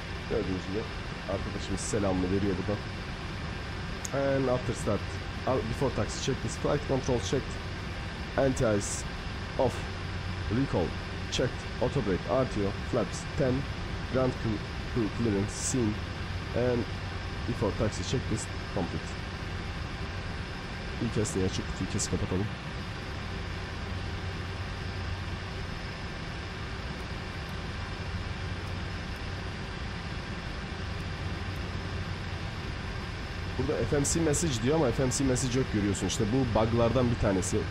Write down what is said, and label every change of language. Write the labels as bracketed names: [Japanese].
[Turkish] Gördüğünüz gibi arkadaşımız selamını veriyor burada. [English] And after start, before taxi checklist, flight control checked, anti-ice off, recall checked, auto brake RTO, flaps 10, ground crew clearance seen, and before taxi checklist complete. [Turkish] TKS'de açık, TKS'i kapatalım. Burada FMC message diyor ama FMC message yok görüyorsun. İşte bu buglardan bir tanesi.